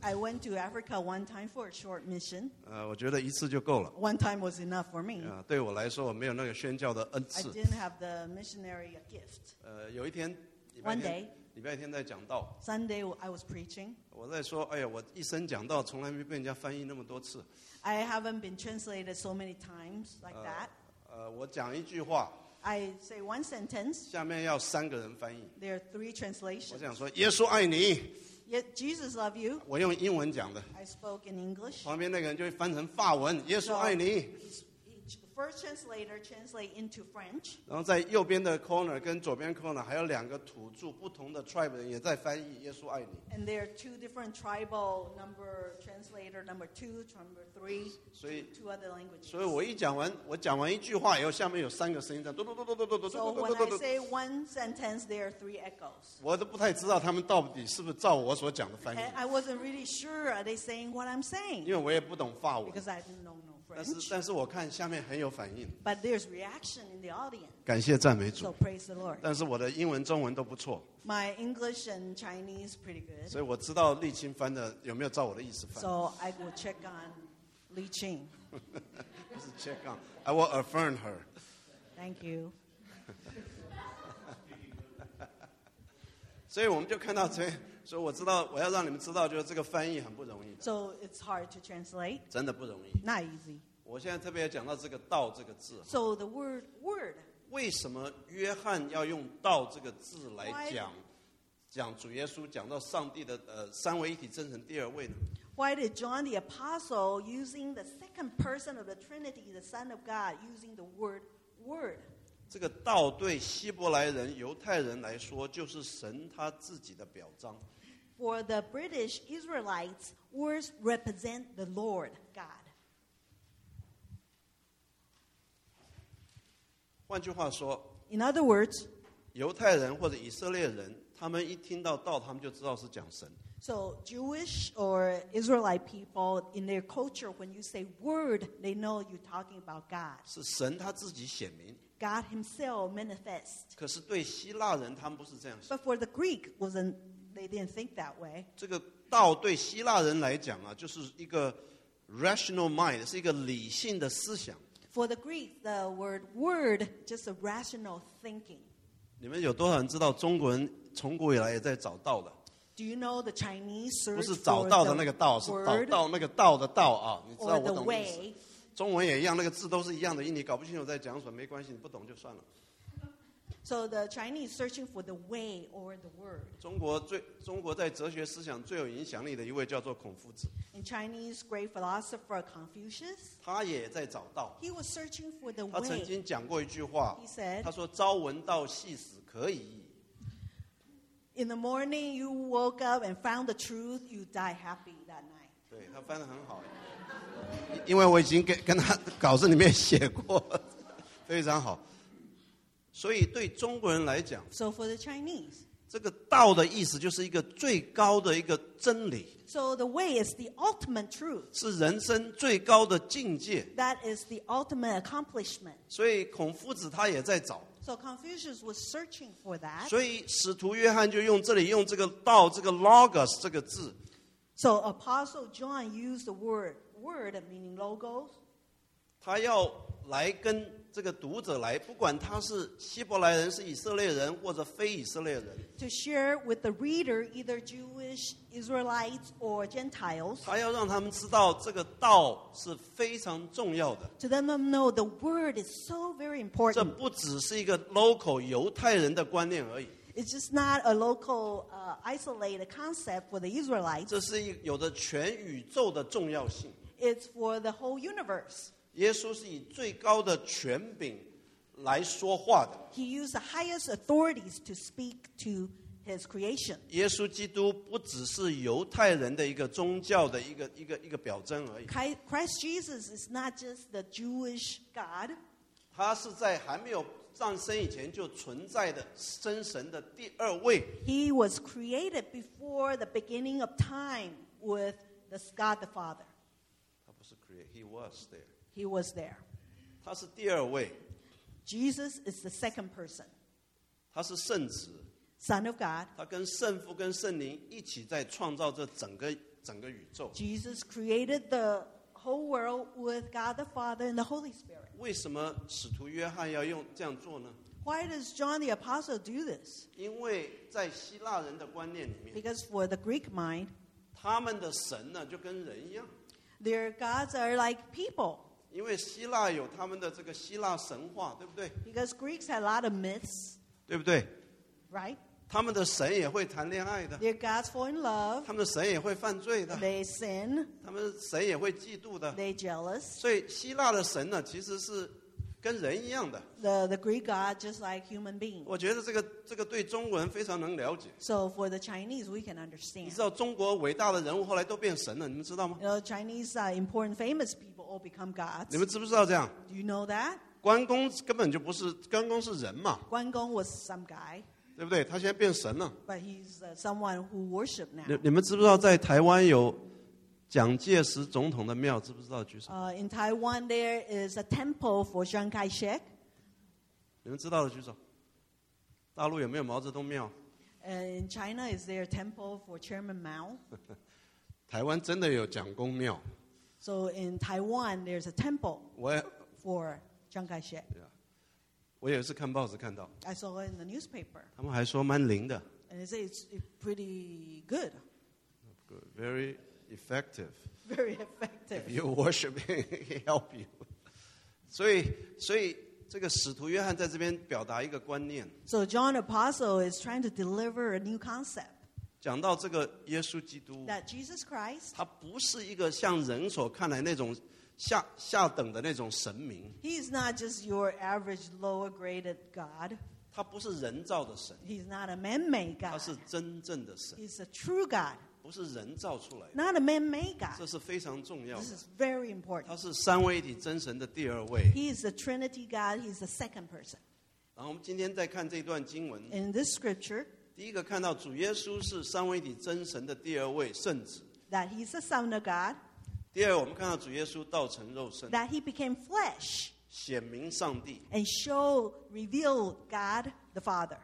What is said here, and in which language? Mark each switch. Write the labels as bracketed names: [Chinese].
[English] I went to Africa one time for a short mission. [Chinese] 我觉得一次就够了。 [English] One time was enough for me. [Chinese] 对我来说，我没有那个宣教的恩赐。 [English] I didn't have the missionary gift. [Chinese] 有一天， [English] one day. [Chinese] 礼拜天在讲道， [English] Sunday I was preaching. [Chinese] 我在说， 哎呀， 我一生讲道， 从来没被人家翻译那么多次。 [English] I haven't been translated so many times like that. [Chinese] 我讲一句话， [English] I say one sentence. [Chinese] 下面要三个人翻译。 [English] There are three translations. [Chinese] 我想说， 耶稣爱你， [English] Yet Jesus love you. [Chinese] 我用英文讲的， [English] I spoke in English. [Chinese] 旁边那个人就会翻成法文， 耶稣爱你。 [English] First translator translate into French. [Chinese] 然后在右边的 corner 跟左边 corner 还有两个土著不同的 tribe 人也在翻译耶稣爱你。 [English] And there are two different tribal number translator number two, number three, [Chinese] 所以, [English] two other languages. [Chinese] 所以我一讲完，我讲完一句话以后，下面有三个声音在嘟嘟嘟嘟嘟嘟嘟嘟嘟嘟嘟嘟。 [English] So when I say one sentence, there are three echoes. [Chinese] 我都不太知道他们到底是不是照我所讲的翻译。 [English] And I wasn't really sure are they saying what I'm saying. [Chinese] 因为我也不懂法文。 [English] Because I didn't know. [Chinese] 但是我看下面很有反应。 [English] But there's reaction in the audience. [Chinese] 感谢赞美主。 [English] So praise the Lord. [Chinese] 但是我的英文中文都不错。 [English] My English and Chinese pretty good. [Chinese] 所以我知道立青翻的有没有照我的意思翻。 [English] So I will check on Li Qing. [Chinese] 不是 [English] check on, I will affirm her. Thank you. [Chinese] 所以我们就看到这，所以我知道我要让你们知道，就是这个翻译很不容易。 [English] So it's hard to translate. [Chinese] 真的不容易。 [English] Not easy. [Chinese] 我现在特别讲到这个“道”这个字。 [English] So the word "word." [Chinese] 为什么约翰要用“道”这个字来讲？讲主耶稣，讲到上帝的三位一体真神第二位呢 [English] ？Why did John the Apostle using the second person of the Trinity, the Son of God, using the word "word"? [Chinese] 这个道对希伯来人、犹太人来说，就是神他自己的表彰。 [English] For the British Israelites, words represent the Lord God. [Chinese] 换句话说 [English] ，In other words, [Chinese] 犹太人或者以色列人。他们一听到道，他们就知道是讲神。 [English] So Jewish or Israelite people in their culture, when you say word, they know you're talking about God. [Chinese] 是神他自己显明。 [English] God Himself manifest. [Chinese] 可是对希腊人，他们不是这样想。 [English] But for the Greek, wasn't they didn't think that way? [Chinese] 这个道对希腊人来讲啊，就是一个 [English] rational mind, [Chinese] 是一个理性的思想。 [English] For the Greek, the word word just a rational thinking. [Chinese] 你们有多少人知道中国人？从古以来也在找道的。 [English] Do you know the Chinese search? [Chinese] 不是找道的那个道，是找到那个道的道啊！你知道我懂意思。中文也一样，那个字都是一样的音，你搞不清楚在讲什么，没关系，你不懂就算了。 [English] So the Chinese searching for the way or the word. [Chinese] 中国在哲学思想最有影响力的一位叫做孔夫子。 [English] In Chinese great philosopher Confucius. [Chinese] 他也在找道。 [English] He was searching for the way. [Chinese] 他曾经讲过一句话。 [English] He said. [Chinese] 他说：“朝闻道，夕死可矣。” [English] In the morning, you woke up and found the truth. You die happy that night. [Chinese] 对他翻得很好，因为我已经跟他稿子里面写过，非常好。所以对中国人来讲 [English] ，So for the Chinese, [Chinese] 这个道的意思就是一个最高的一个真理。 [English] So the way is the ultimate truth. [Chinese] 是人生最高的境界。 [English] That is the ultimate accomplishment. [Chinese] 所以孔夫子他也在找。 [English] So Confucius was searching for that. [Chinese] 所以使徒约翰就用这里用这个道这个 logos 这个字。 [English] So Apostle John used the word meaning logos. [Chinese] 他要来跟这个读者来，不管他是希伯来人、是以色列人或者非以色列人。 [English] To share with the reader, either Jewish, Israelites, or Gentiles. [Chinese] 他要让他们知道这个道是非常重要的。 [English] To let them know the word is so very important. [Chinese] 这不只是一个 local 犹太人的观念而已。 [English] It's just not a local, isolated concept for the Israelites. [Chinese] 这是有着全宇宙的重要性。 [English] It's for the whole universe. [Chinese] 耶稣是以最高的权柄来说话的。 [English] He used the highest authorities to speak to his creation. [Chinese] 耶稣基督不只是犹太人的一个宗教的一个表征而已。 [English] Christ Jesus is not just the Jewish God. [Chinese] 他是在还没有上升以前就存在的真神的第二位。 [English] He was created before the beginning of time with the God the Father. [Chinese] 他不是 [English] create, he was there. He was there. [Chinese] 他是第二位。 [English] Jesus is the second person. [Chinese] 他是圣子。 [English] Son of God. [Chinese] 他跟圣父跟圣灵一起在创造这整个宇宙。 [English] Jesus created the whole world with God the Father and the Holy Spirit. [Chinese] 为什么使徒约翰要用这样做呢？ [English] Why does John the Apostle do this? [Chinese] 因为在希腊人的观念里面。 [English] Because for the Greek mind. [Chinese] 他们的神呢就跟人一样。 [English] Their gods are like people. [Chinese] 因为希腊有他们的这个希腊神话，对不对 [English] ？Because Greeks had a lot of myths， [Chinese] 对不对 [English] ？Right， [Chinese] 他们的神也会谈恋爱的。 [English] Their gods fall in love。 [Chinese] 他们的神也会犯罪的。 [English] They sin。 [Chinese] 他们神也会嫉妒的。 [English] They jealous。 [Chinese] 所以希腊的神呢，其实是跟人一样的。 [English] The Greek god just like human being。 [Chinese] 我觉得这个对中国人非常能了解。 [English] So for the Chinese, we can understand。 [Chinese] 你知道中国伟大的人物后来都变神了，你们知道吗 [English] ？You know, Chinese important famous people。 All become gods. [Chinese] 你们知不知道这样 [English] ？Do you know that? [Chinese] 关公根本就不是，关公是人嘛。 [English] 关公 was some guy. [Chinese] 对不对？他现在变神了。 [English] But he's someone who worship now. [Chinese] 你们知不知道在台湾有蒋介石总统的庙？知不知道？举手。 [English] In Taiwan there is a temple for Chiang Kai-shek. [Chinese] 你们知道的举手。大陆有没有毛泽东庙 [English] ？In China is there a temple for Chairman Mao? [Chinese] 台湾真的有蒋公庙。 [English] So in Taiwan, there's a temple for Chiang Kai-shek. Yeah. [Chinese] 我也是看报纸看到。 [English] I saw it in the newspaper. [Chinese] 他们还说蛮灵的。 [English] And they say it's pretty good. Very effective. Very effective. If you worship him, he help you. [Chinese] 所以这个使徒约翰在这边表达一个观念。 [English] So John Apostle is trying to deliver a new concept. [Chinese] 讲到这个耶稣基督 [English] that Jesus Christ, [Chinese] 他不是一个像人所看来那种 下等的那种神明 [English] He is not just your average lower graded God [Chinese] 他不是人造的神 [English] He is not a man-made God [Chinese] 他是真正的神 [English] He is a true God [Chinese] 不是人造出来的 [English] Not a man-made God [Chinese] 这是非常重要的 [English] This is very important [Chinese] 他是三位一体真神的第二位 [English] He is the Trinity God He is the second person [Chinese] 然后我们今天再看这段经文 [English] In this scripture [Chinese] 第一个看到主耶稣是三位一体真神的第二位圣子 [English] That he's the son of God [Chinese] 第二我们看到主耶稣道成肉身 [English] That he became flesh [Chinese] 显明上帝 [English] And show, reveal God the Father